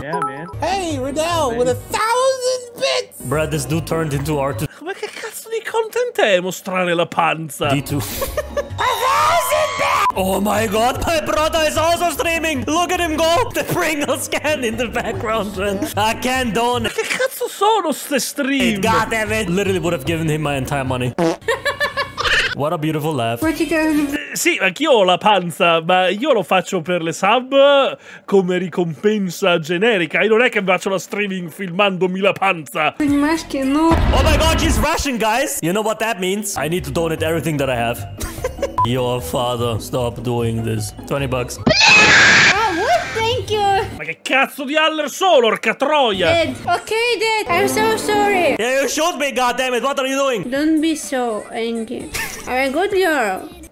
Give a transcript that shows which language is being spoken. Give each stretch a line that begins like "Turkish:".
English: Yeah, man. Hey, Riddell, with a thousand bits! Brad, this dude turned into Arthur.
Italian: Ma che cazzo di content è mostrare la panza? D2.
English: A thousand bits! Oh my god, my brother is also streaming! Look at him go! The Pringles can in the background, man. I can't donate.
Italian: Ma che cazzo sono ste stream?
English: God damn it! Literally would have given him my entire money. What a beautiful laugh.
Italian: Sì, anch'io ho la panza, ma io lo faccio per le sub come ricompensa generica. E non è che faccio la streaming filmandomi la panza.
English: Oh my god, she's rushing, guys. You know what that means? I need to donate everything that I have. Your father, stop doing this. 20 bucks. Thank you.
Italian: Ma che cazzo di aller solo, orca troia?
English: Dad. Okay, Dad. I'm so sorry. Yeah, you shoot me, goddammit. What are you doing? Don't be so angry. I'm a good girl.